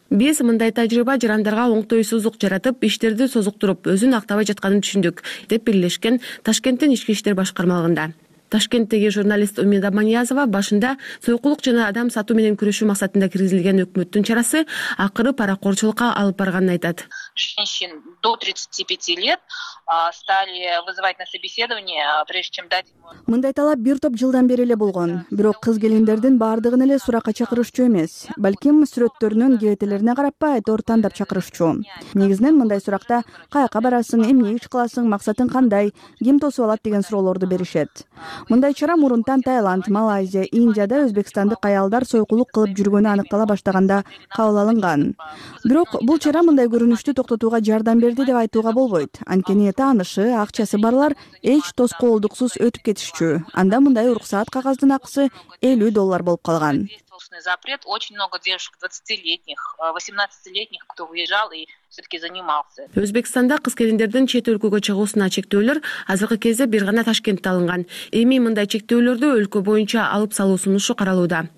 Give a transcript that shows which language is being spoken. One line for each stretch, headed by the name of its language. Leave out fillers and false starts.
Kyrgyz: Биз мындай тажрыйба жарандарга оңтойсуздук жаратып, иштерди созуктуруп, өзүн актабай жатканын түшүндүк, деп бирлешкен Ташкенттин ички иштер башкармалыгында. Ташкенттеги журналист Умида Маниязова башында союкулук жана адам сатуу менен күрөшүү максатында киргизилген өкмөттүн чарасы акыры паракорчулукка алып барганын айтат.
Russian: Женщин до 35 лет стали вызывать на собеседование прежде чем дать.
Kyrgyz: Мындай талап бир топ жылдан бери эле болгон, бирок кыз келиндердин баардыгын эле суракка чакырышчу эмес, балким сүрөттөрүнүн кебетелерине карап айтор тандап чакырышчу. Негизинен мындай суракта каяка барасың, эмне иш кыласың, максатың кандай, ким тосуп алат деген суроолорду беришет. Мындай чара мурунтан Таиланд, Малайзия, Индияда өзбекстандык аялдар сойкулук кылып жүргөнү аныктала баштаганда кабыл алынган. Бирок бул чара мындай көрүнүштү токтотууга жардам берди деп айтууга болбойт. Анткени таанышы, акчасы барлар эч тоскоолдуксуз өтүп кетишчү. Анда мындай уруксаат кагаздын акысы $50 болуп калган.
Russian: Запрет. Очень много девушек 20-летних, 18-летних, кто выезжал и все-таки занимался.
Kyrgyz: Өзбекстанда кыз келиндердин чет өлкөгө чыгуусуна чектөөлөр азыркы кезде бир гана Ташкентте алынган. Эми мындай чектөөлөрдү өлкө боюнча алып салуу сунушу каралууда.